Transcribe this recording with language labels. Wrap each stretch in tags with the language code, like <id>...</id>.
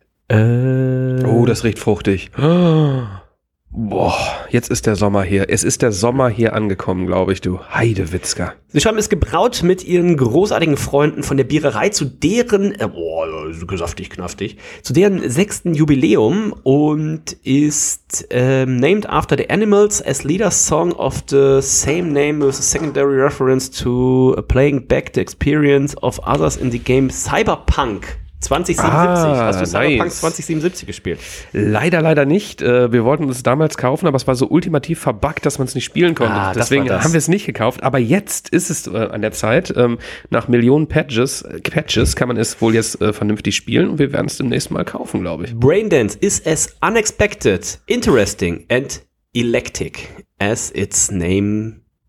<de>Oh, das riecht fruchtig. Boah, jetzt ist der Sommer hier. Es ist der Sommer hier angekommen, glaube ich, du Heidewitzka. Sie schreiben, es gebraut mit ihren großartigen Freunden von der Biererei zu deren, saftig, knaftig, zu deren 6. Jubiläum und ist</de> <en>named after the animals as leader song of the same name with a secondary reference to playing back the experience of others in the game Cyberpunk. 2077,</en> <de>hast du Cyberpunk 2077 gespielt? Leider nicht. Wir wollten es damals kaufen, aber es war so ultimativ verbuggt, dass man es nicht spielen konnte. Ah, deswegen haben wir es nicht gekauft. Aber jetzt ist es an der Zeit. Nach Millionen Patches kann man es wohl jetzt vernünftig spielen und wir werden es demnächst mal kaufen, glaube ich.</de> <en>Braindance is as unexpected, interesting and electric as its namesake.</en>